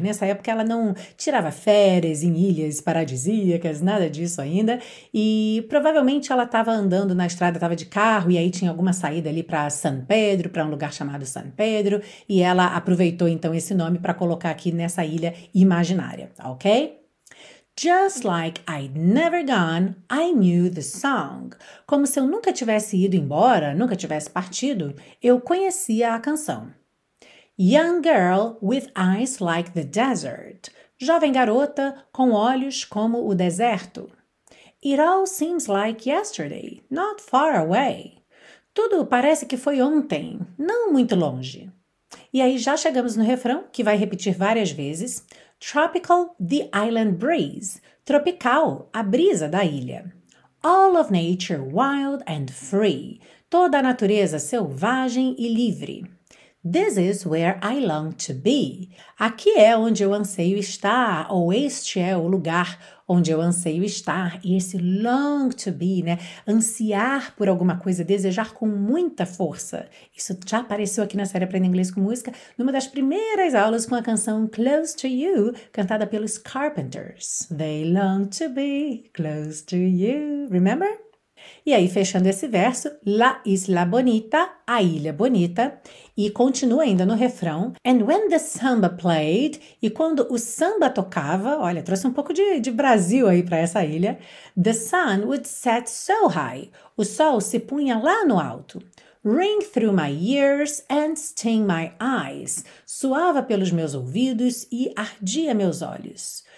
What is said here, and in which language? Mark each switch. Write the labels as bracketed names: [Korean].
[Portuguese] Nessa época, ela não tirava férias em ilhas paradisíacas, nada disso ainda. E, provavelmente, ela estava andando na estrada, estava de carro, e aí tinha alguma saída ali para San Pedro, para um lugar chamado San Pedro. E ela aproveitou, então, esse nome para colocar aqui nessa ilha imaginária, ok? [English] Just like I'd never gone, I knew the song. [Portuguese] Como se eu nunca tivesse ido embora, nunca tivesse partido, eu conhecia a canção. [English] Young girl with eyes like the desert. [Portuguese] Jovem garota com olhos como o deserto. [English] It all seems like yesterday, not far away. [Portuguese] Tudo parece que foi ontem, não muito longe. E aí já chegamos no refrão, que vai repetir várias vezes. [English] Tropical, the island breeze. [Portuguese] Tropical, a brisa da ilha. [English] All of nature wild and free. [Portuguese] Toda a natureza selvagem e livre. [English] This is where I long to be. [Portuguese] Aqui é onde eu anseio estar, ou este é o lugar onde eu anseio estar. E esse long to be, né? Ansiar por alguma coisa, desejar com muita força. Isso já apareceu aqui na série Aprenda Inglês com Música, numa das primeiras aulas com a canção Close to You, cantada pelos Carpenters. [English] They long to be close to you, remember? [Portuguese] E aí, fechando esse verso, La Isla Bonita, a Ilha Bonita, e continua ainda no refrão, [English] And when the samba played, [Portuguese] e quando o samba tocava, olha, trouxe um pouco de Brasil aí para essa ilha, [English] The sun would set so high, [Portuguese] o sol se punha lá no alto, [English] Ring through my ears and sting my eyes, [Portuguese] suava pelos meus ouvidos e ardia meus olhos.